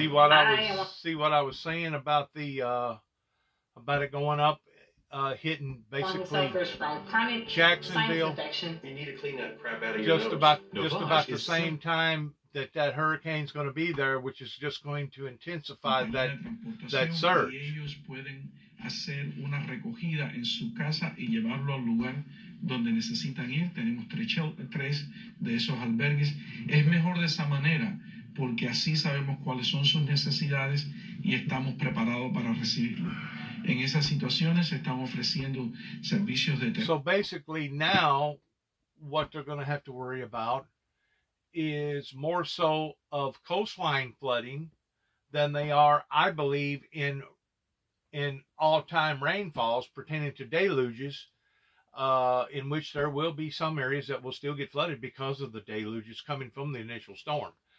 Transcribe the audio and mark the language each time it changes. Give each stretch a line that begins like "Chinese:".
English: See what I was saying about the about it going up, hitting basically Jacksonville. You need to clean that crap out of your nose. Just about the same time that hurricane's going to be there, which is just going to intensify that surge.
Spanish: Ellos pueden hacer una recogida en su casa y llevarlo al lugar donde necesitan ir. Tenemos tres de esos albergues. Es mejor de esa manera porque así sabemos cuáles son sus necesidades y estamos preparados para recibirlo. En esas situaciones estamos ofreciendo servicios de
English: So basically now what they're going to have to worry about is more so of coastline flooding than they are, I believe, in all-time rainfalls pertaining to deluges, in which there will be some areas that will still get flooded because of the deluges coming from the initial storm.